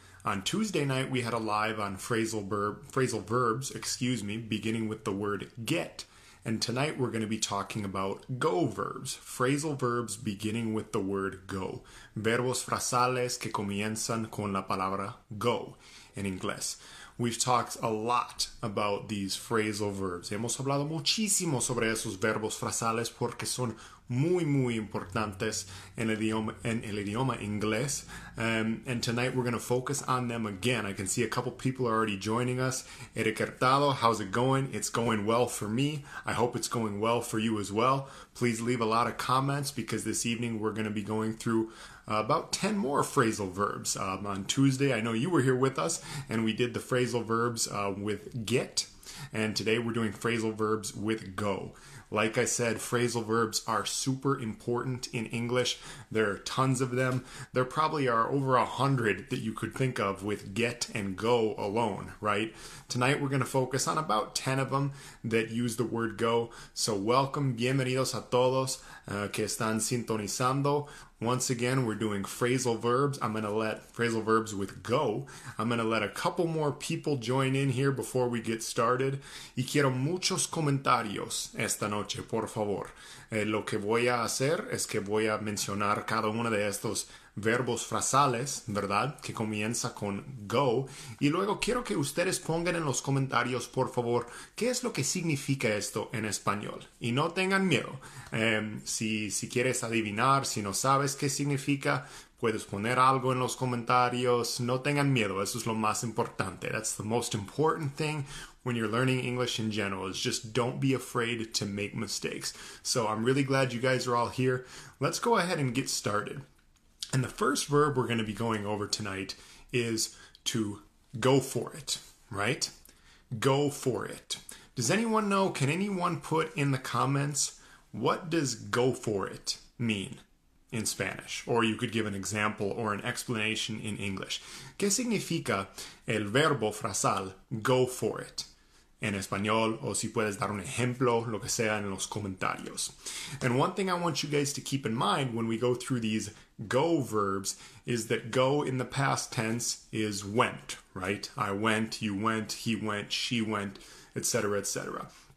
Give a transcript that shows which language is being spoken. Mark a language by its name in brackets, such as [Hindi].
[English] On Tuesday night we had a live on phrasal verbs, beginning with the word get. And tonight we're going to be talking about go verbs, phrasal verbs beginning with the word go. [Spanish] Verbos frasales que comienzan con la palabra go in English. [English] We've talked a lot about these phrasal verbs. [Spanish] Hemos hablado muchísimo sobre esos verbos frasales porque son muy, muy importantes en el idioma inglés. [English] And tonight we're going to focus on them again. I can see a couple people are already joining us. Eric Hurtado, how's it going? It's going well for me. I hope it's going well for you as well. Please leave a lot of comments because this evening we're going to be going through about 10 more phrasal verbs. On Tuesday, I know you were here with us and we did the phrasal verbs with get. And today we're doing phrasal verbs with go. Like I said, phrasal verbs are super important in English. There are tons of them. There probably are over 100 that you could think of with get and go alone, right? Tonight we're going to focus on about 10 of them that use the word go. [Spanish] So welcome, bienvenidos a todos que están sintonizando. [English] Once again, we're doing phrasal verbs. I'm going to let a couple more people join in here before we get started. [Spanish] Y quiero muchos comentarios esta noche, por favor. Lo que voy a hacer es que voy a mencionar cada uno de estos verbos frasales, ¿verdad? Que comienza con go. Y luego quiero que ustedes pongan en los comentarios, por favor, qué es lo que significa esto en español. Y no tengan miedo. Si quieres adivinar, si no sabes qué significa, puedes poner algo en los comentarios. No tengan miedo. Eso es lo más importante. [English] That's the most important thing when you're learning English in general, is just don't be afraid to make mistakes. So I'm really glad you guys are all here. Let's go ahead and get started. And the first verb we're going to be going over tonight is to go for it, right? Go for it. Does anyone know, can anyone put in the comments, what does go for it mean in Spanish? Or you could give an example or an explanation in English. [Spanish] ¿Qué significa el verbo frasal go for it en español? O si puedes dar un ejemplo, lo que sea, en los comentarios. [English] And one thing I want you guys to keep in mind when we go through these go verbs is that go in the past tense is went, right? I went, you went, he went, she went, etc., etc.